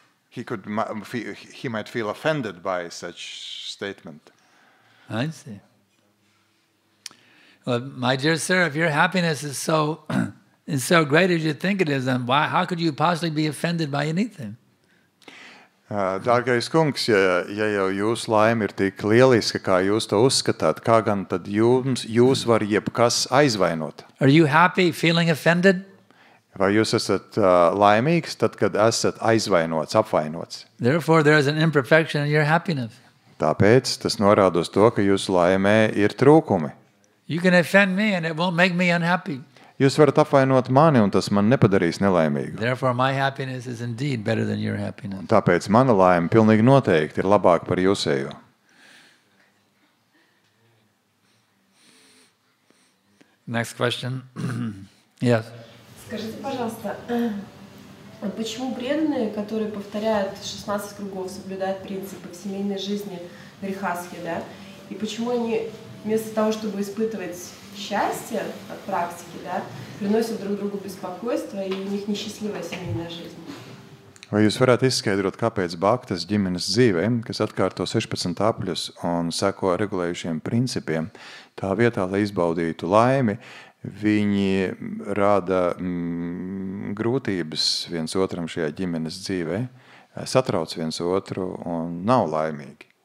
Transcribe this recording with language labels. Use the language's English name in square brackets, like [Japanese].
[English] He might feel offended by such statement. I see. Well, my dear sir, if your happiness is so is so great as you think it is, then why how could you possibly be offended by anything? [Latvian] Dārgais kungs, ja jau jūsu laime ir tik lieliska, kā jūs to uzskatāt, kā gan tad jūs var jebkas aizvainot? [English] Are you happy feeling offended? [Latvian] Vai jūs esat laimīgs, tad kad esat aizvainots, apvainots? [English] Therefore there is an imperfection in your happiness. [Latvian] Tāpēc tas norādos to, ka jūsu laimē ir trūkumi. [English] You can offend me and it won't make me unhappy. [Latvian] Jūs varat apvainot mani un tas man nepadarīs nelaimīgu. [English] Therefore my happiness is indeed better than your happiness. [Latvian] Tāpēc mana laime pilnīgi noteikti ir labāka par jūsējo. [English] Next question. Yes. [Russian] Скажите, пожалуйста, почему преданные, которые повторяют 16 кругов, соблюдают принципы в семейной жизни грехасхи, да? И почему они вместо того, чтобы испытывать счастье от практики, да, приносят друг другу беспокойство, и у них несчастливая семейная жизнь. [Latvian] Vai jūs varētu izskaidrot, kāpēc baktas ģimenes dzīvē, kas atkārto 16 apļus un seko regulējušiem principiem, tā vietā, lai izbaudītu laimi, viņi rada grūtības viens otram šajā ģimenes dzīvē, satrauc viens otru un nav laimīgi.